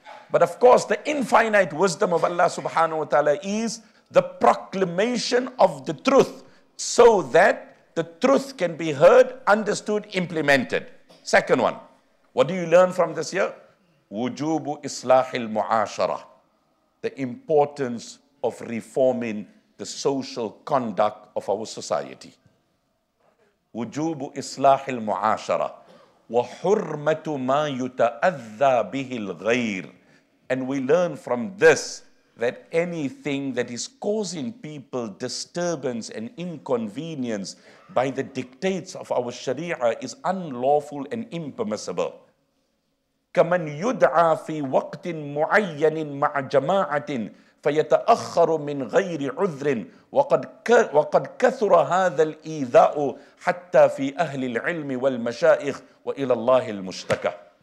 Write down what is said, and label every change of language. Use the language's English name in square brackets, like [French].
[English] But of course, the infinite wisdom of Allah subhanahu wa ta'ala is the proclamation of the truth so that the truth can be heard, understood, implemented. Second one, what do you learn from this year? [Arabic] وُجُوبُ إِصْلَاحِ الْمُعَاشَرَةِ. [English] The importance of reforming the social conduct of our society. [Arabic] وُجُوبُ إِصْلَاحِ الْمُعَاشَرَةِ وَحُرْمَةُ مَا يُتَأَذَّى بِهِ الْغَيْرِ. [English] And we learn from this that anything that is causing people disturbance and inconvenience by the dictates of our Sharia is unlawful and impermissible. [Arabic] كَمَنْ يُدْعَى فِي وَقْتٍ مُعَيَّنٍ مَعْ جَمَاعَةٍ فَيَتَأَخَّرُ مِنْ غَيْرِ عُذْرٍ وَقَدْ كَثُرَ هَذَا الْإِذَاءُ حَتَّى فِي أَهْلِ الْعِلْمِ وَالْمَشَائِخِ وَإِلَى اللَّهِ الْمُشْتَكَى.